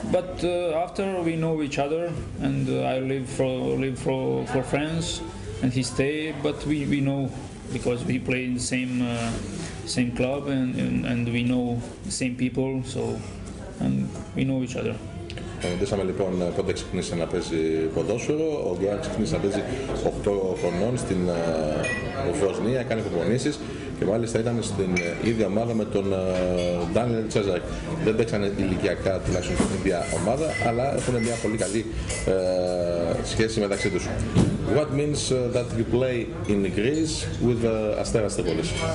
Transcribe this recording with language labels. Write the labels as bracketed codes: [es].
[en] But after we know each other, and I live for France, and he stay. But we know because we play in the same club, and we know the same people. So and we know each other. [el] Ρωτήσαμε λοιπόν πότε ξεκίνησε να παίζει ποδόσφαιρο. Ο Γκόραν ξεκίνησε να παίζει 8 χρονών στην Βοσνία, κάνει προπονήσεις και μάλιστα ήταν στην ίδια ομάδα με τον Ντάνιελ Τσέζακ. Δεν παίξανε ηλικιακά τουλάχιστον στην ίδια ομάδα, αλλά έχουν μια πολύ καλή σχέση μεταξύ τους. [en] What means that you play in Greece with Asteras Tripolis?